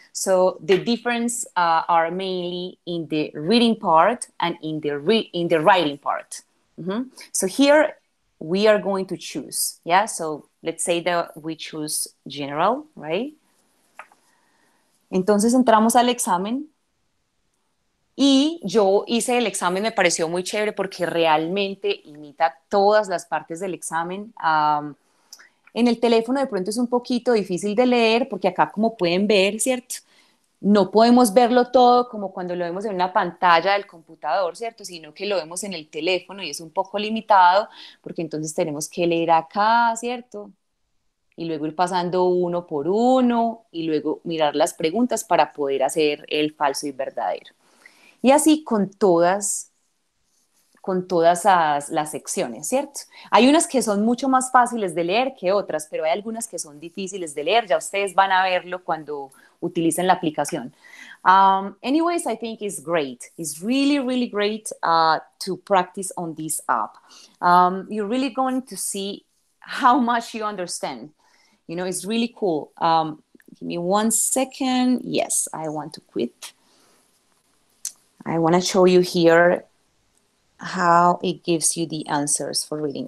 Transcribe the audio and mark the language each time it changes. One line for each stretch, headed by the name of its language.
English: So the difference are mainly in the reading part and in the writing part. Mm-hmm. So here we are going to choose, yeah? So let's say that we choose general, right?
Spanish: Entonces entramos al examen. Y yo hice el examen, me pareció muy chévere porque realmente imita todas las partes del examen. En el teléfono de pronto es un poquito difícil de leer porque acá, como pueden ver, ¿cierto? No podemos verlo todo como cuando lo vemos en una pantalla del computador, ¿cierto? Sino que lo vemos en el teléfono y es un poco limitado porque entonces tenemos que leer acá, ¿cierto? Y luego ir pasando uno por uno y luego mirar las preguntas para poder hacer el falso y verdadero. Y así con todas, con todas las secciones, ¿cierto? Hay unas que son mucho más fáciles de leer que otras, pero hay algunas que son difíciles de leer. Ya ustedes van a verlo cuando utilicen la aplicación.
English: Anyways, I think it's great. It's really, really great to practice on this app. You're really going to see how much you understand. You know, it's really cool. Give me one second. Yes, I want to quit. I want to show you here how it gives you the answers for reading.